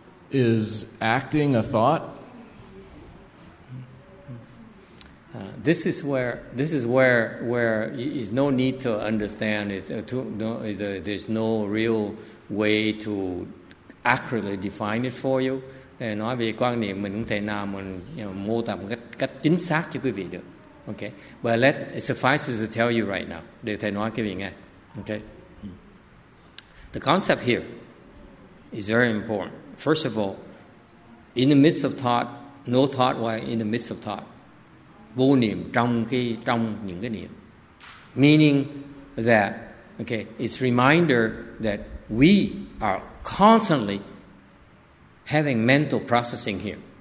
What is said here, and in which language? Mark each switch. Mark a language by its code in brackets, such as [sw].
[en] Is acting a thought? This is where is no need to understand it. There's no real way to accurately define it for you. [vi] Để nói về quan niệm mình không thể nào mình mô tả một cách chính xác cho quý vị được. [en] Okay. But let it suffice to tell you right now. [vi] Để thầy nói quý vị nghe. [en] Okay. The concept here is very important. First of all, in the midst of thought, no thought while in the midst of thought. [vi] Vô niệm trong những cái niệm. [en] Meaning that, okay, it's a reminder that we are constantly having mental processing here.